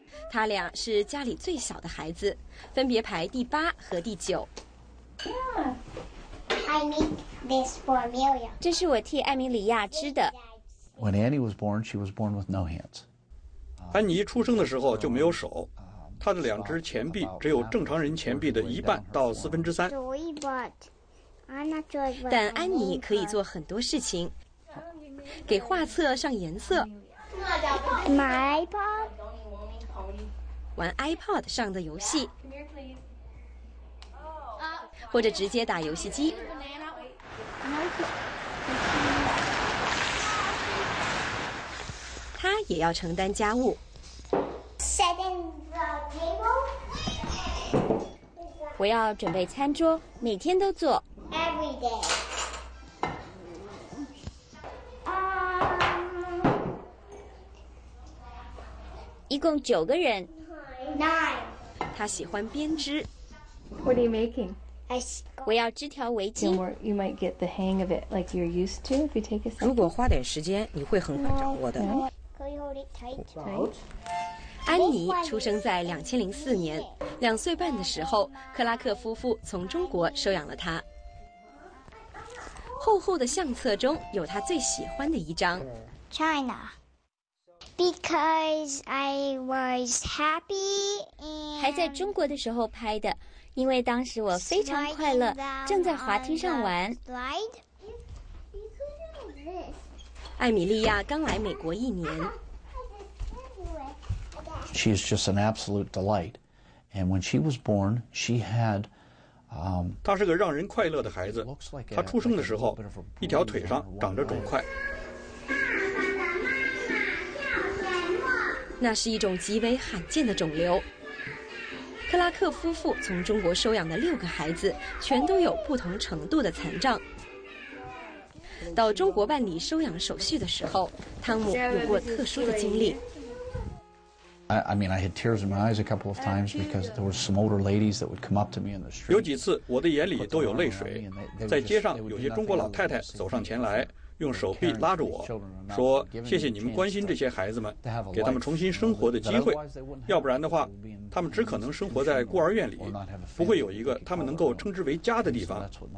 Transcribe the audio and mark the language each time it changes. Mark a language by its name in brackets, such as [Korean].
[Chinese] 他俩是家里最小的孩子，分别排第八和第九。这是我替艾米莉亚织的。 [English] When Annie was born, she was born with no hands. [Chinese] 安妮出生的时候就没有手，她的两只前臂只有正常人前臂的一半到四分之三。但安妮可以做很多事情，给画册上颜色。 [English] My iPod. [Chinese] 玩 iPod 上的游戏。或者直接打游戏机。他也要承担家务。 [English] Setting the table. [Chinese] 我要准备餐桌，每天都做。 [English] Every day. [Chinese] 一共九个人。 [English] Nine. [Chinese] 他喜欢编织。 [English] What are you making? [Chinese] 我要织条围巾。 [English] You might get the hang of it, like you're used to, if you take a second. [Chinese] 如果花点时间，你会很快掌握的。 [English] Can you hold it tight? [Chinese] 安妮出生在2004年，两岁半的时候，克拉克夫妇从中国收养了她。厚厚的相册中有她最喜欢的一张。 [English] China. Because I was happy. [Chinese] 还在中国的时候拍的。因为当时我非常快乐，正在滑梯上玩。艾米莉亚刚来美国一年。 [English] She is just an absolute delight, and when she was born, she had. [Chinese] 她是个让人快乐的孩子。她出生的时候，一条腿上长着肿块。那是一种极为罕见的肿瘤。克拉克夫妇从中国收养的六个孩子全都有不同程度的残障。到中国办理收养手续的时候，汤姆有过特殊的经历。 [English] I had tears in my eyes a couple of times because there were some older ladies that would come up to me in the street. [Chinese] 有几次我的眼里都有泪水，在街上有些中国老太太走上前来，用手臂拉着我说，谢谢你们关心这些孩子们，给他们重新生活的机会，要不然的话他们只可能生活在孤儿院里，不会有一个他们能够称之为家的地方。